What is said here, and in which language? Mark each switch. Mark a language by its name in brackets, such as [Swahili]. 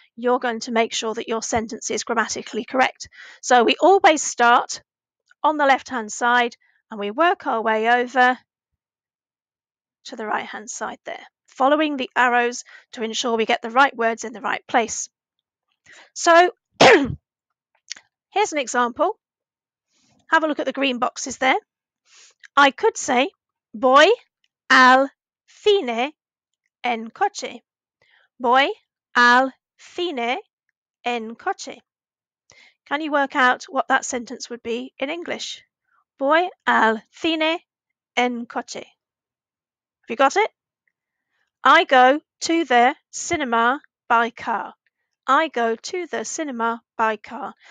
[English] You're going to make sure that your sentence is grammatically correct. So we always start on the left-hand side and we work our way over to the right hand side there, following the arrows to ensure we get the right words in the right place. So here's an example. Have a look at the green boxes there. I could say [Spanish] voy al cine en coche. Voy al cine en coche. [English] Can you work out what that sentence would be in English? [Spanish] Voy al cine en coche. [English] You got it? I go to the cinema by car. I go to the cinema by car.